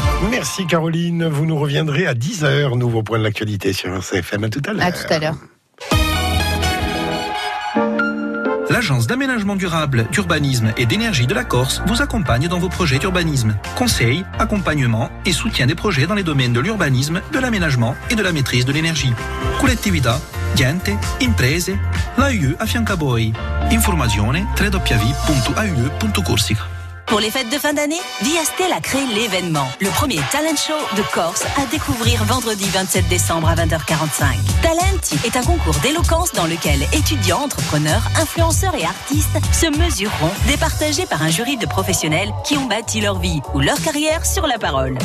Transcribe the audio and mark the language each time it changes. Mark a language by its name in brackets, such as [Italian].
[French] Merci Caroline, vous nous reviendrez à 10h, nouveau point de l'actualité sur RCFM. À tout à l'heure. L'Agence d'aménagement durable, d'urbanisme et d'énergie de la Corse vous accompagne dans vos projets d'urbanisme. Conseil, accompagnement et soutien des projets dans les domaines de l'urbanisme, de l'aménagement et de la maîtrise de l'énergie. [Corsican] Collettività, gente, imprese, l'AUE affianca voi. Informazione www.aue.corsica. [French] Pour les fêtes de fin d'année, Diastel a créé l'événement, le premier talent show de Corse à découvrir vendredi 27 décembre à 20h45. Talenti est un concours d'éloquence dans lequel étudiants, entrepreneurs, influenceurs et artistes se mesureront, départagés par un jury de professionnels qui ont bâti leur vie ou leur carrière sur la parole.